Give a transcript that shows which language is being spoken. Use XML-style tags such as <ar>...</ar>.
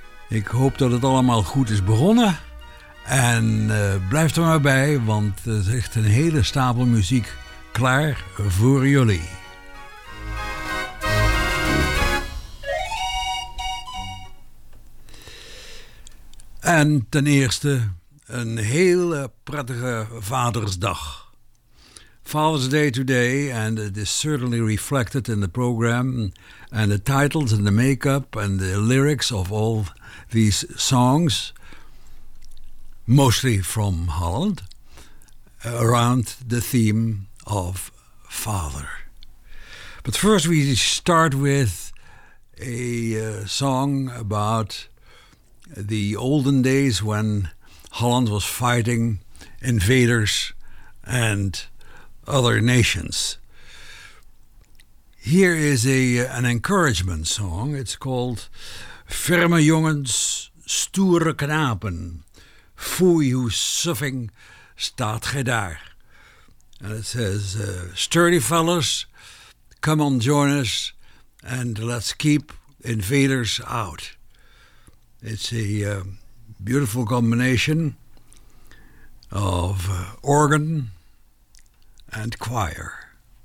<nl>Ik hoop dat het allemaal goed is begonnen. En blijf er maar bij, want er ligt een hele stapel muziek klaar voor jullie. En ten eerste een hele prettige Vadersdag.</nl> <en>Father's Day today, and it is certainly reflected in the program and the titles and the makeup and the lyrics of all these songs, mostly from Holland, around the theme of father. But first we start with a song about the olden days when Holland was fighting invaders and other nations. Here is an encouragement song. It's called Firme Jongens, Stoere Knapen.</en> <nl>Foei, hoe suffing staat gij daar.</nl> <en>And it says, sturdy fellas, come on, join us, and let's keep invaders out. It's a beautiful combination of organ and choir.</en>